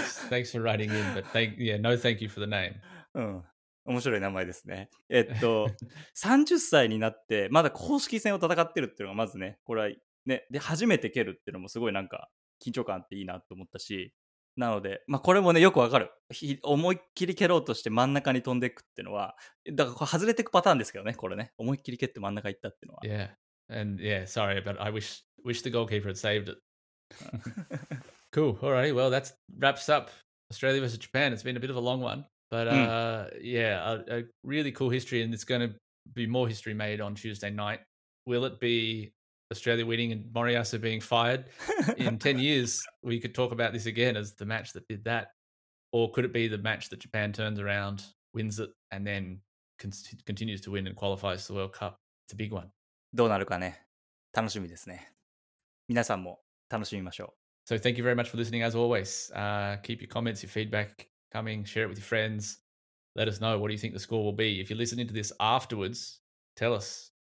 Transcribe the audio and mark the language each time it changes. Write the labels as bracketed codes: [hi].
[en] thanks for writing in, but thank you for the name. [ja] 面白い名前ですね。 30歳になってまだ公式戦を戦ってるっていうのがまずね、これはね、で初めて蹴るっていうのもすごいなんか緊張感っていいなと思ったし、なので、まあ、これもねよくわかる。思いっきり蹴ろうとして真ん中に飛んでいくっていうのは、だからこれ外れていくパターンですけどね、これね、思いっきり蹴って真ん中行ったっていうのは。 [en] Yeah, and yeah, sorry, but I wish the goalkeeper had saved it. Cool. All right. Well, that's wraps up Australia versus Japan. It's been a bit of a long one, but a really cool history, and it's going to be more history made on Tuesday night. Will it be Australia winning and Moriyasu being fired? In 10 years, we could talk about this again as the match that did that. Or could it be the match that Japan turns around, wins it, and then continues to win and qualifies the World Cup? It's a big one. [ja] どうなるかね。楽しみですね。皆さんも楽しみましょう。 [en] So thank you very much for listening as always. Keep your comments, your feedback coming. Share it with your friends. Let us know what do you think the score will be. If you're listening to this afterwards, tell us.